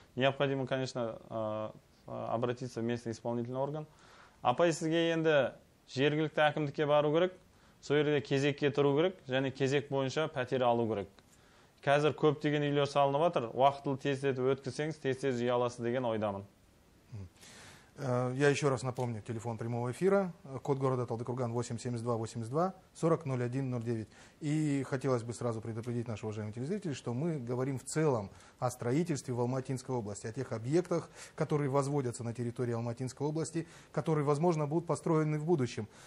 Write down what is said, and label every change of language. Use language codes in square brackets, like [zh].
[ru] Необходимо, конечно, обратиться в местный исполнительный орган. [kk] Апай, сізге енді жергілікті әкімдікке бару керек, сол жерде кезекке тұру керек, және кезек бойынша пәтер алу керек. Қазір көптеген үйлер салынып жатыр. Уақытылы тездетіп өткізсеңіз, тез-тез үй аласыз деген ойдамын. [ru] Я еще раз напомню, телефон прямого эфира, код города Талдыкурган 872-82-40-0109. И хотелось бы сразу предупредить наши уважаемые телезрители, что мы говорим в целом о строительстве в Алматинской области, о тех объектах, которые возводятся на территории Алматинской области, которые, возможно, будут построены в будущем.